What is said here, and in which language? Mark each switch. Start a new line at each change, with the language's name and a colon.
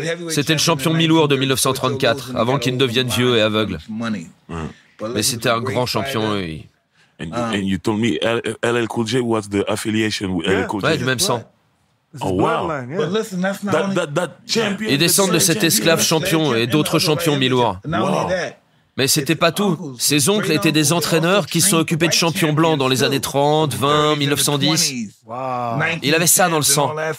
French: C'était le champion mi-lourd de 1934, avant qu'il ne devienne vieux et aveugle. Mais c'était un grand champion, lui.
English: And you told me LL Cool J was the affiliation with LL Cool J.
French: Ouais, du même sang.
English: Oh wow. But listen, that's not that champion.
French: Ils descendent de cet esclave champion et d'autres champions mi-lourds. Mais c'était pas tout. Ses oncles étaient des entraîneurs qui se sont occupés de champions blancs dans les années 30, 20, 1910. Il avait ça dans le sang.